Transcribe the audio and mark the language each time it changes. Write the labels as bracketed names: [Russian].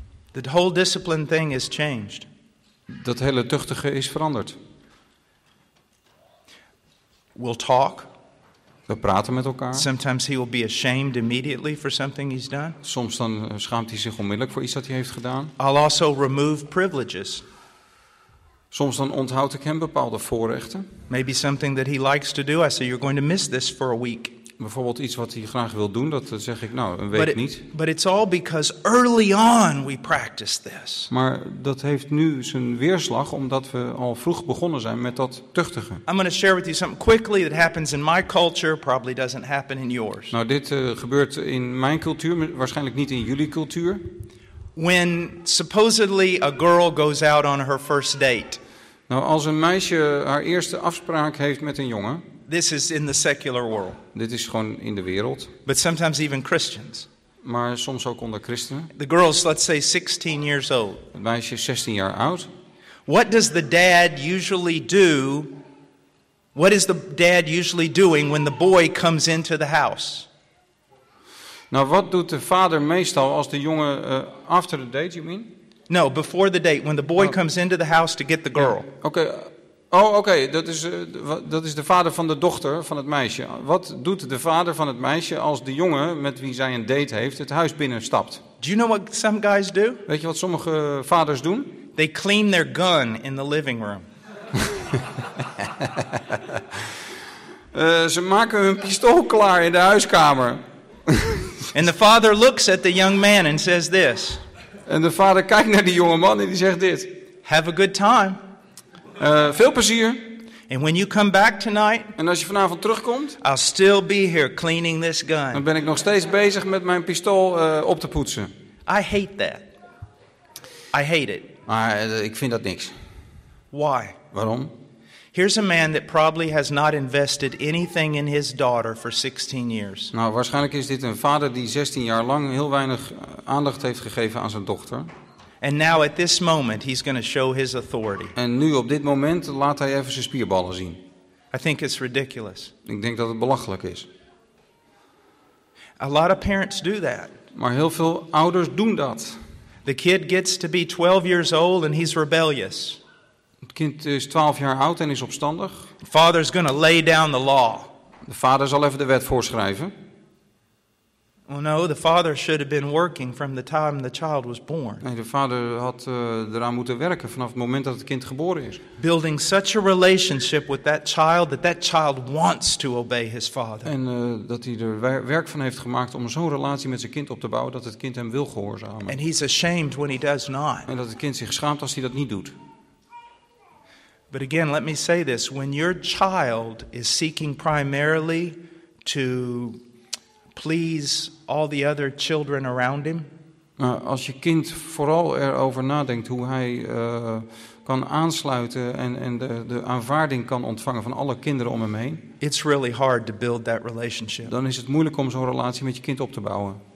[English] The whole discipline thing is changed. [Dutch] Dat hele tuchtige is veranderd. [English] will talk. [Dutch] We praten met elkaar. [English] Sometimes he will be ashamed immediately for something he's done. [Dutch] Soms dan schaamt hij zich onmiddellijk voor iets dat hij heeft gedaan. [English] I'll also remove privileges. [Dutch] Soms dan onthoud ik hem bepaalde voorrechten. [English] Maybe something that he likes to do. I say you're going to miss this for a week. [Dutch] Bijvoorbeeld iets wat hij graag wil doen, dat zeg ik nou een week niet. [English] But it's all because early on we practiced this. [Dutch] Maar dat heeft nu zijn weerslag omdat we al vroeg begonnen zijn met dat tuchtigen. [English] I'm going to share with you something quickly that happens in my culture, probably doesn't happen in yours. [Dutch] Nou, dit gebeurt in mijn cultuur, waarschijnlijk niet in jullie cultuur. [English] When supposedly a girl goes out on her first date. [Dutch] Nou, als een meisje haar eerste afspraak heeft met een jongen. [English] This is in the secular world. [Dutch] Dit is gewoon in de wereld. [English] But sometimes even Christians. [Dutch] Maar soms ook onder christenen. [English] The girl's, let's say, 16 years old. [Dutch] Het meisje is 16 jaar oud. [English] What does the dad usually do? What is the dad usually doing when the boy comes into the house? [Dutch] Nou, wat doet de vader meestal als de jongen [English] after the date, you mean? No, before the date, when the boy comes into the house to get the girl. Yeah. Okay. Oh, oké, okay. [Dutch] Dat is de vader van de dochter van het meisje. Wat doet de vader van het meisje als de jongen met wie zij een date heeft het huis binnenstapt? [English] Do you know what some guys do? [Dutch] Weet je wat sommige vaders doen? [English] They clean their gun in the living room. [Dutch] ze maken hun pistool klaar in de huiskamer. [English] And the father looks at the young man and says this. [Dutch] En de vader kijkt naar die jonge man en die zegt dit. [English] Have a good time. [Dutch] Veel plezier. [English] And when you come back tonight, [Dutch] en als je vanavond terugkomt, [English] I'll still be here cleaning this gun. [Dutch] Dan ben ik nog steeds bezig met mijn pistool op te poetsen. [English] I hate that. I hate it. [Dutch] Maar ik vind dat niks. [English] Why? [Dutch] Waarom? [English] Here's a man that probably has not invested anything in his daughter for 16 years. [Dutch] Nou, waarschijnlijk is dit een vader die 16 jaar lang heel weinig aandacht heeft gegeven aan zijn dochter. [English] And now at this moment he's going to show his authority. [Dutch] En nu op dit moment laat hij even zijn spierballen zien. [English] I think it's ridiculous. [Dutch] Ik denk dat het belachelijk is. [English] A lot of parents do that. [Dutch] Maar heel veel ouders doen dat. [English] The kid gets to be 12 years old and he's rebellious. [Dutch] Het kind is 12 jaar oud en is opstandig. [English] Father's going to lay down the law. [Dutch] De vader zal even de wet voorschrijven. [English] Well, no, the father should have been working from the time the child was born. [Dutch] Nee, de vader had eraan moeten werken vanaf het moment dat het kind geboren is. [English] Building such a relationship with that child that that child wants to obey his father. [Dutch] En dat hij er werk van heeft gemaakt om zo'n relatie met zijn kind op te bouwen dat het kind hem wil gehoorzamen. [English] And he's ashamed when he does not. [Dutch] En dat het kind zich schaamt als hij dat niet doet. [English] But again, let me say this: when your child is seeking primarily to please all the other children around him. [Dutch] Nou, als je kind vooral erover nadenkt hoe hij kan aansluiten en de aanvaarding kan ontvangen van alle kinderen om hem heen. [English] It's really hard to build that relationship. [Dutch] Dan is het moeilijk om zo'n relatie met je kind op te bouwen.